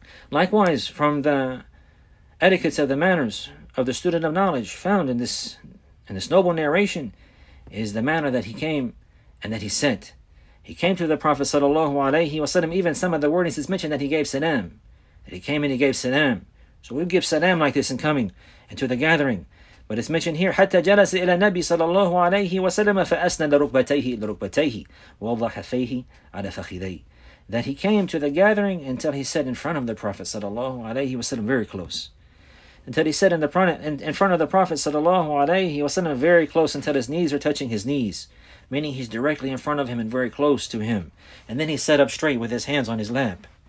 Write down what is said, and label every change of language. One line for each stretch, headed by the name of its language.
English: Likewise, from the etiquettes of the manners of the student of knowledge found in this noble narration is the manner that he came and that he sat. He came to the Prophet sallallahu alayhi wa sallam. Even some of the wordings is mentioned that he gave salam. That he came and he gave salam. So we give salam like this in coming into the gathering. But it's mentioned here,
Arabic: حَتَّى جَلَسَ إِلَى النَّبِي صَلَى اللَّهُ عَلَيْهِ وَسَلَّمَ فَأَسْنَدَ رُكْبَتَيْهِ إِلَى رُكْبَتَيْهِ وَوَضَعَ فَيْهِ عَلَى فَخِذَيْهِ.
English: That he came to the gathering until he sat in front of the Prophet sallallahu alayhi wa sallam very close. Until he sat in front of the Prophet sallallahu alayhi wa sallam very close until his knees were touching his knees. Meaning he's directly in front of him and very close to him. And then he sat up straight with his hands on his lap.